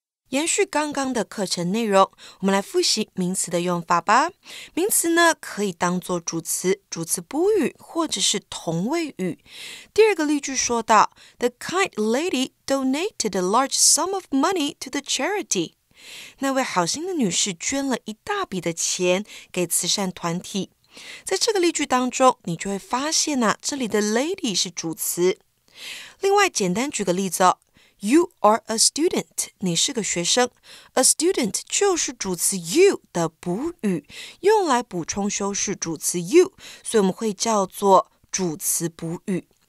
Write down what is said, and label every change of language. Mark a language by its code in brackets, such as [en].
[zh] 延续刚刚的课程内容，我们来复习名词的用法吧。名词呢可以当作主词、主词补语或者是同位语。第二个例句说到 [en] The kind lady donated a large sum of money to the charity. [zh] 那位好心的女士捐了一大笔的钱给慈善团体。在这个例句当中，你就会发现啊，这里的 lady 是主词。另外简单举个例子哦， [en] You are a student, [zh] 你是个学生。 A student 就是主词 you 的补语，用来补充修饰主词 you, 所以我们会叫做主词补语。